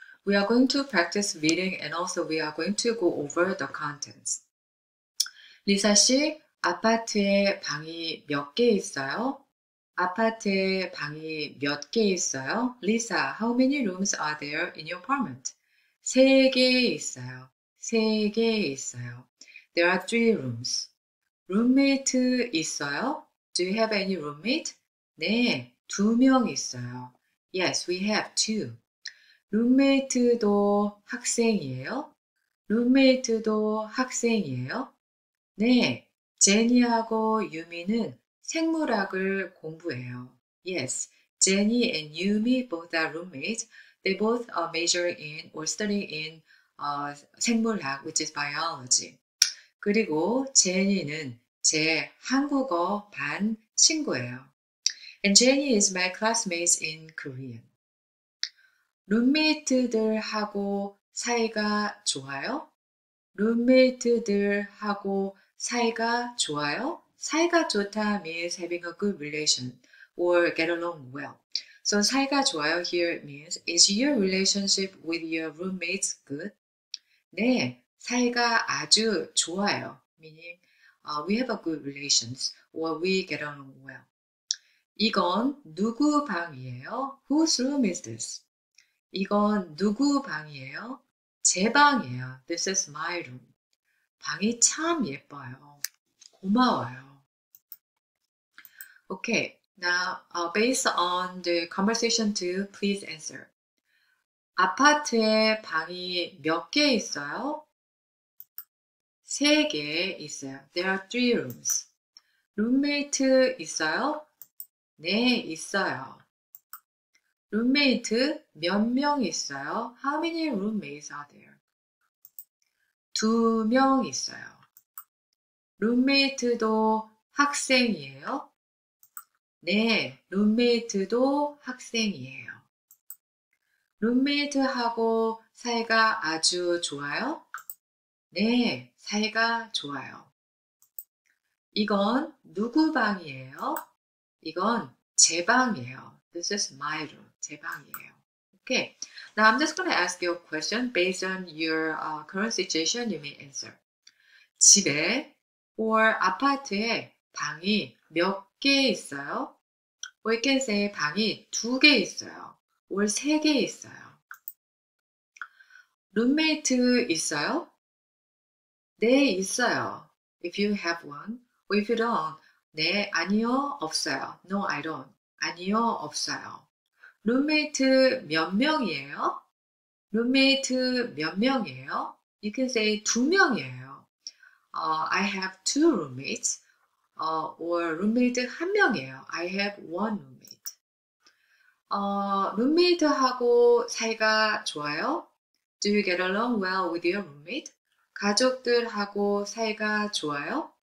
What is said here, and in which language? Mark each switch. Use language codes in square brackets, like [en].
[en] We are going to practice reading and also we are going to go over the contents. [ko] 리사 씨, 아파트에 방이 몇개 있어요? 아파트에 방이 몇개 있어요? [en] Lisa, how many rooms are there in your apartment? [ko] 세개 있어요. 세개 있어요. [en] There are three rooms. [ko] Roommate 있어요? [en] Do you have any roommate? [ko] 네. 두명 있어요. [en] Yes, we have two. [ko] 룸메이트도 학생이에요? 룸메이트도 학생이에요? 네, 제니하고 유미는 생물학을 공부해요. [en] Yes, Jenny and Yumi both are roommates. They both are majoring in or studying in 생물학, which is biology. [ko] 그리고 제니는 제 한국어 반 친구예요. [en] And Jenny is my classmate in Korean. [ko] 룸메이트들하고 사이가 좋아요? 룸메이트들하고 사이가 좋아요? 사이가 좋다 [en] means having a good relation or get along well. So [ko] 사이가 좋아요 [en] here means is your relationship with your roommates good? [ko] 네, 사이가 아주 좋아요. [en] Meaning we have a good relations or we get along well. [ko] 이건 누구 방이에요? [en] Whose room is this? [ko] 이건 누구 방이에요? 제 방이에요. [en] This is my room. [ko] 방이 참 예뻐요. 고마워요. [en] Okay, now based on the conversation 2, please answer. [ko] 아파트에 방이 몇 개 있어요? 세 개 있어요. [en] There are three rooms. [ko] 룸메이트 있어요? 네, 있어요. 룸메이트 몇명 있어요? [en] How many roommates are there? [ko] 두 명 있어요. 룸메이트도 학생이에요? 네, 룸메이트도 학생이에요. 룸메이트하고 사이가 아주 좋아요? 네, 사이가 좋아요. 이건 누구 방이에요? 이건 제 방이에요. [en] This is my room. [ko] 제 방이에요. Okay. [en] Now I'm just going to ask you a question based on your current situation. You may answer. [ko] 집에 or 아파트에 방이 몇개 있어요? [en] We can say [ko] 방이 두개 있어요. or 세개 있어요. 룸메이트 있어요? 네, 있어요. [en] If you have one. Or if you don't. [ko] 네, 아니요, 없어요. [en] No, I don't. [ko] 아니요, 없어요. 룸메이트 몇 명이에요? 룸메이트 몇 명이에요? [en] You can say [ko] 두 명이에요. [en] I have two roommates. [ko] Or 룸메이트 한 명이에요. [en] I have one roommate. [ko] 룸메이트하고 사이가 좋아요? [en] Do you get along well with your roommate? [ko] 가족들하고 사이가 좋아요?